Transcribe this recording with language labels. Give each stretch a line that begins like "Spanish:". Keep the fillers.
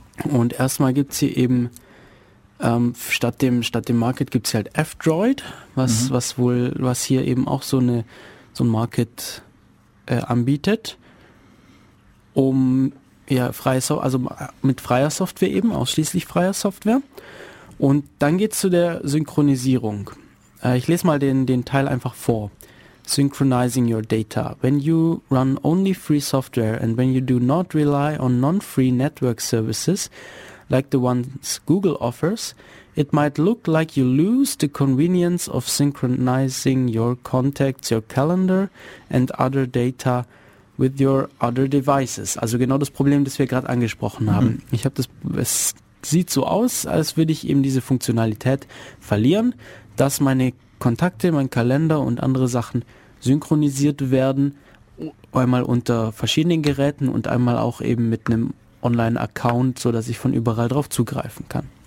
German: Und erstmal gibt es hier eben ähm, statt dem statt dem Market gibt es halt F-Droid, was, was wohl, was hier eben auch so eine so ein Market äh, anbietet, um ja, freie so also mit freier Software eben, ausschließlich freier Software. Und dann geht's zu der Synchronisierung. Äh, ich lese mal den, den Teil einfach vor.
English: Synchronizing your data. When you run only free software and when you do not rely on non-free network services, like the ones Google offers, it might look like you lose the convenience of synchronizing your contacts, your calendar and other data with your other devices.
German: Also genau das Problem, das wir gerade angesprochen haben. Ich habe das, es sieht so aus, als würde ich eben diese Funktionalität verlieren, dass meine Kontakte, mein Kalender und andere Sachen synchronisiert werden, einmal unter verschiedenen Geräten und einmal auch eben mit einem Online-Account, so dass ich von überall drauf zugreifen kann.